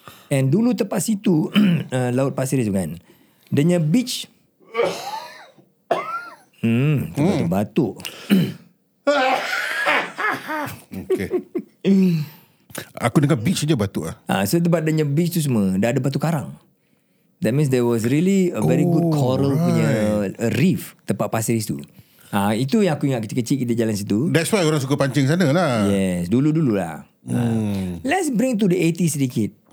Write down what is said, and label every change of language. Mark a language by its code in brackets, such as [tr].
[ms] And dulu tepat situ, laut Pasir Ris kan. Dia punya beach, batuk. [en] Okay. [ms] Aku dengar beach je batuk lah. So tempat dia punya beach tu semua dah ada batu karang. [en] That means there was really a very good coral punya reef tempat Pasir Ris tu. [ms] Itu yang aku ingat kecil-kecil kita jalan situ. [en] That's why [ms] orang suka pancing sana lah. Yes, dulu-dululah. [en] Let's bring to the 80s sedikit.